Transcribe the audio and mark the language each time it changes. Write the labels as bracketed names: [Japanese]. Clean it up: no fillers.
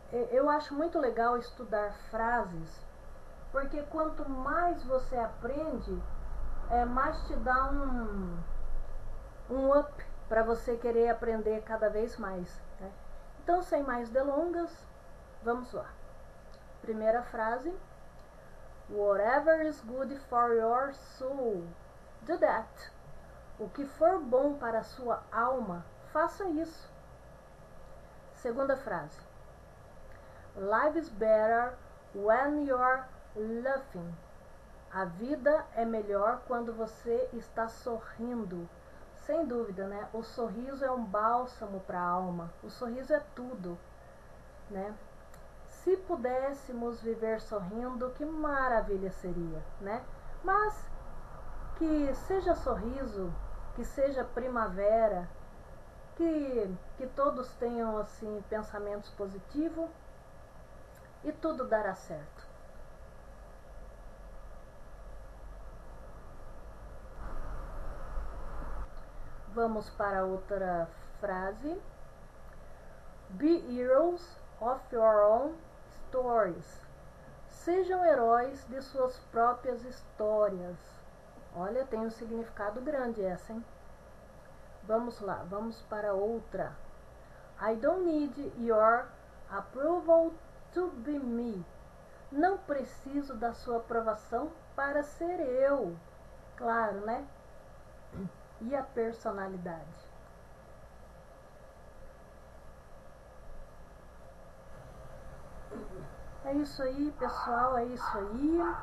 [Portuguese] Eu acho muito legal estudar frases, porque quanto mais você aprende, mais te dá um up para você querer aprender cada vez mais, né? Então, sem mais delongas, vamos lá. Primeira frase: [English] whatever is good for your soul, do that. [Portuguese] O que for bom para a sua alma, faça isso. Segunda frase: [English] life is better when you're laughing. [Portuguese] A vida é melhor quando você está sorrindo. Sem dúvida, né? O sorriso é um bálsamo para a alma. O sorriso é tudo, né? Se pudéssemos viver sorrindo, que maravilha seria, né? Mas que seja sorriso, que seja primavera, que todos tenham assim pensamentos positivos e tudo dará certo. Vamos para outra frase. [English] Be heroes of your own stories. [Portuguese] Sejam heróis de suas próprias histórias. Olha, tem um significado grande essa, hein? Vamos lá, vamos para outra. [English] I don't need your approval to be me. [Portuguese] Não preciso da sua aprovação para ser eu. Claro, né? E a personalidade? É isso aí, pessoal. É isso aí.